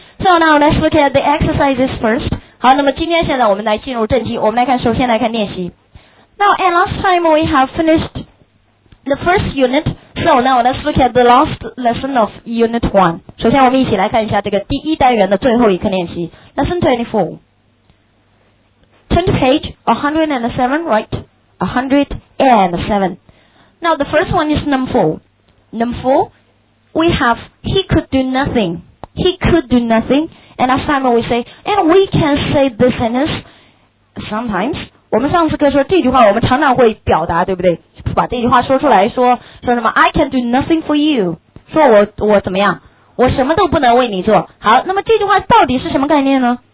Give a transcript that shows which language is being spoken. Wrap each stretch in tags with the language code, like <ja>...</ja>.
<en>So now let's look at the exercises first.</en> <zh>好，那么今天现在我们来进入正题，我们来看，首先来看练习。</zh> <en>Now, and last time we have finished the first unit, so now let's look at the last lesson of unit 1.</en> <zh>首先我们一起来看一下这个第一单元的最后一课练习。</zh> <en>Lesson 24. Turn to page 107, right? 107. Now, the first one is number 4. Number 4, we have, he could do nothing. He could do nothing. And last time we say, and we can say this sentence sometimes.</en> <zh>我们上次课说这句话我们常常会表达，对不对？把这句话说出来，说什么</zh> <en>I can do nothing for you，</en> <zh>说我怎么样，我什么都不能为你做。好，那么这句话到底是什么概念呢？</zh>